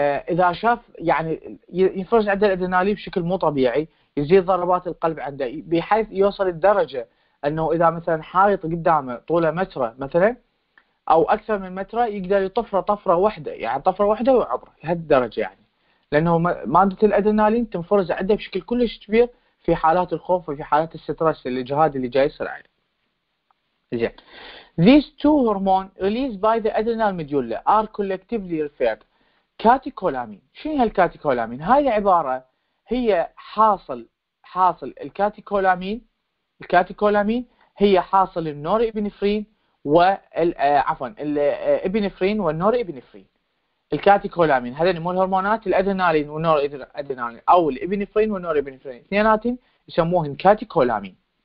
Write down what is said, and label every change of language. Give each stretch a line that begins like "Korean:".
Arabic: إذا شاف يعني يفرز عنده الأدرينالين بشكل مو طبيعي، يزيد ضربات القلب عنده بحيث يوصل الدرجة أنه إذا مثلا حائط قدامه طوله متره مثلا أو أكثر من متره يقدر يطفره طفرة واحدة، يعني طفرة واحدة وعبره لهالدرجة، يعني لأنه مادة الأدرينالين تنفرز عنده بشكل كلش كبير في حالات الخوف وفي حالات السترس الإجهاد اللي جاي يصير عليه.
English: زين، these two hormones released by the adrenal medulla are collectively referred catecholamine.
Arabic: شنو هالكاتيكولامين؟ هاي العبارة هي حاصل الكاتيكولامين، هي حاصل النوربينفرين وعفوا الابنفرين والنوربينفرين. الكاتيكولامين هذين مو الهرمونات، الادرينالين والنورادرينالين او الابنفرين والنوربينفرين، اثنيناتهم يسموهم كاتيكولامين.